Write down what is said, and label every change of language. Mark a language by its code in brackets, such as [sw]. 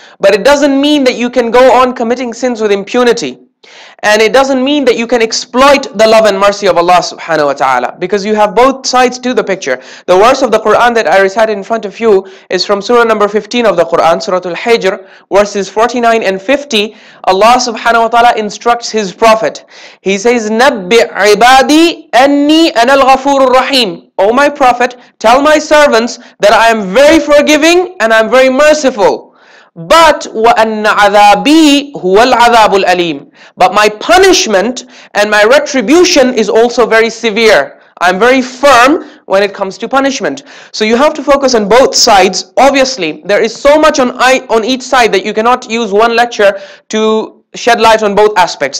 [en] But it doesn't mean that you can go on committing sins with impunity. And it doesn't mean that you can exploit the love and mercy of Allah subhanahu wa ta'ala. Because you have both sides to the picture. The verse of the Quran that I recited in front of you is from surah number 15 of the Quran, surah Al-Hijr, verses 49 and 50. Allah subhanahu wa ta'ala instructs His Prophet. He says, [ar] نَبِّ عِبَادِي أَنِّي أَنَا الْغَفُورُ الرَّحِيمُ. [en] O my Prophet, tell my servants that I am very forgiving and I am very merciful. But [ar] وَأَنَّ عَذَابِي هُوَ الْعَذَابُ الْأَلِيمُ. [en] But my punishment and my retribution is also very severe. I'm very firm when it comes to punishment. So you have to focus on both sides. Obviously, there is so much on each side that you cannot use one lecture to shed light on both aspects.